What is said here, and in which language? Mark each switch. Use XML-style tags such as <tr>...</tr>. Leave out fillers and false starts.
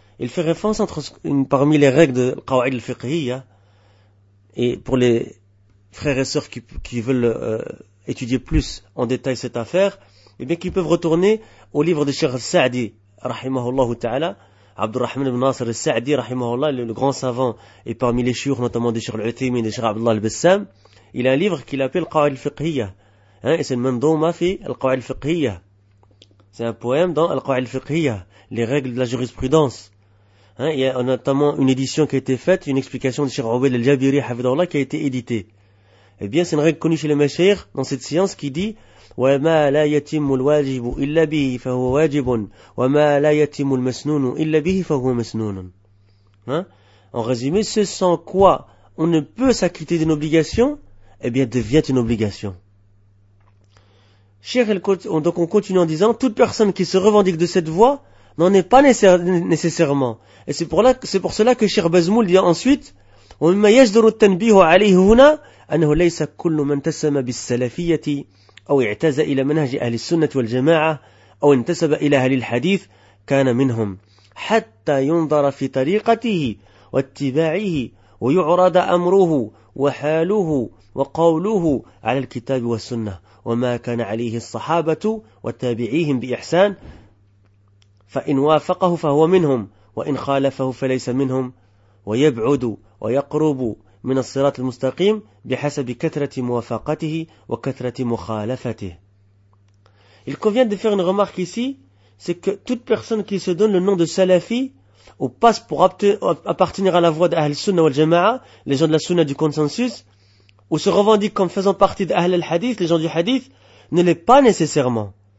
<fr>Il fait référence parmi les règles de Qawaid al-Fiqhiyya et pour les frères et sœurs qui veulent étudier plus en détail cette affaire, eh bien, qui peuvent retourner au livre de Cheikh Sa'di, rahimahullah ta'ala, Abdurrahman ibn Nasr al-Sa'di, rahimahullah, le grand savant, et parmi les chiouks, notamment de Cheikh al-Uthaymin et de Cheikh Abdullah al-Bassam, il a un livre qu'il appelle Qawaid al-Fiqhiyya. Et c'est le mandouma fi Al-Qawaid al-Fiqhiyya. C'est un poème dans Al-Qawaid al-Fiqhiyya, les règles de la jurisprudence. Il y a notamment une édition qui a été faite, une explication de Cheikh Obaid al-Jabiri, hafidhahullah, qui a été éditée. Eh bien, c'est une règle connue chez les mashayikh dans cette science qui dit</fr> <ar>وَمَا لَا يَتِمُّ الْوَاجِبُ إِلَّا بِهِ فَهُوَ وَاجِبٌ وَمَا لَا يَتِمُّ الْمَسْنُونُ إِلَّا بِهِ فَهُوَ مَسْنُونٌ.</ar> <fr>En résumé, ce sans quoi on ne peut s'acquitter d'une obligation, eh bien, devient une obligation. Donc, on continue en disant toute personne qui se revendique de cette voie n'en est pas nécessairement. Et c'est pour cela que Cheikh Bazmoul dit ensuite</fr> <ar>وَمَا يَجْدُرُ التَّنْبِيهُ عَلَيْهُ هُنَا أنه ليس كل من تسم بالسلفية أو اعتز إلى منهج أهل السنة والجماعة أو انتسب إلى أهل الحديث كان منهم حتى ينظر في طريقته واتباعه ويعرض أمره وحاله وقوله على الكتاب والسنة وما كان عليه الصحابة والتابعيهم بإحسان فإن وافقه فهو منهم وإن خالفه فليس منهم ويبعد ويقرب من الصراط المستقيم بحسب كثرة موافقته وكثرة مخالفته.</ar> <fr>Il convient de faire une remarque ici, c'est que toute personne qui se donne le nom de Salafi ou passe pour appartenir à la voie d'Ahl Sunna wal Jama'a, les gens de la Sunna du consensus, ou se revendique comme faisant partie d'Ahl al Hadith, les gens du Hadith, ne l'est pas nécessairement.</fr>